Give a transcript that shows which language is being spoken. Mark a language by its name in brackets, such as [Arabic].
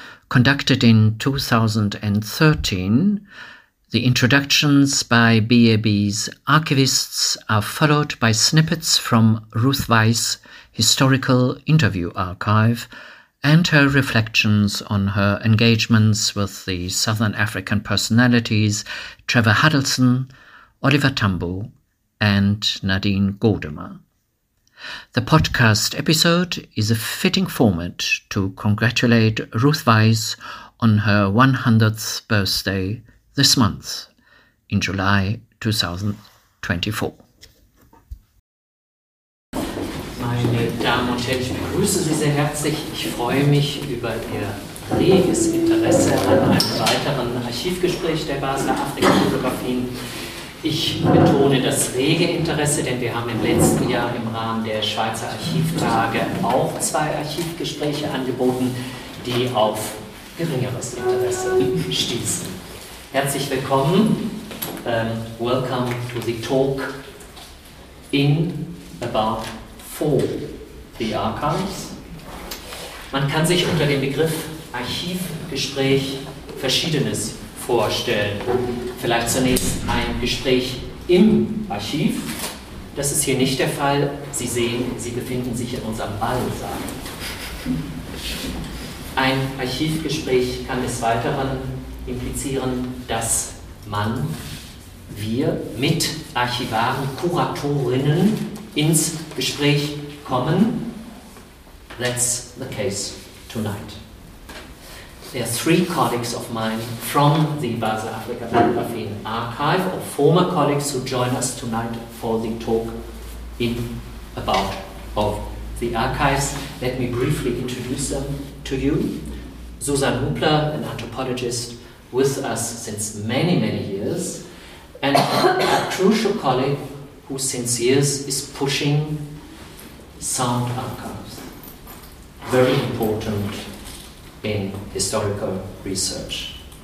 [English] Conducted in 2013, the introductions by BAB's archivists are followed by snippets from Ruth Weiss' historical interview archive and her reflections on her engagements with the Southern African personalities Trevor Huddleston, Oliver Tambo, and Nadine Godemar. The podcast episode is a fitting format to congratulate Ruth Weiss on her 100th birthday this month, in July 2024. [German] Meine Damen und Herren, ich begrüße Sie sehr herzlich. Ich freue mich über Ihr reges Interesse an einem weiteren Archivgespräch der Basler Afrika-Bibliographien. Ich betone das rege Interesse, denn wir haben im letzten Jahr im Rahmen der Schweizer Archivtage auch zwei Archivgespräche angeboten, die auf geringeres Interesse stießen. Herzlich willkommen. [English] Welcome to the talk in about for the archives. [German] Man kann sich unter dem Begriff Archivgespräch Verschiedenes vorstellen. Vielleicht zunächst ein Gespräch im Archiv. Das ist hier nicht der Fall. Sie sehen, Sie befinden sich in unserem Ballsaal. Ein Archivgespräch kann des Weiteren implizieren, dass wir mit Archivaren, Kuratorinnen ins Gespräch kommen. [English] That's the case tonight. There are three colleagues of mine from the Basel Africa Bibliographien Archive, or former colleagues who join us tonight for the talk in about of the archives. Let me briefly introduce them to you. Susan Hubler, an anthropologist, with us since many, many years, and a crucial colleague who since years is pushing sound archives, very important in historical research.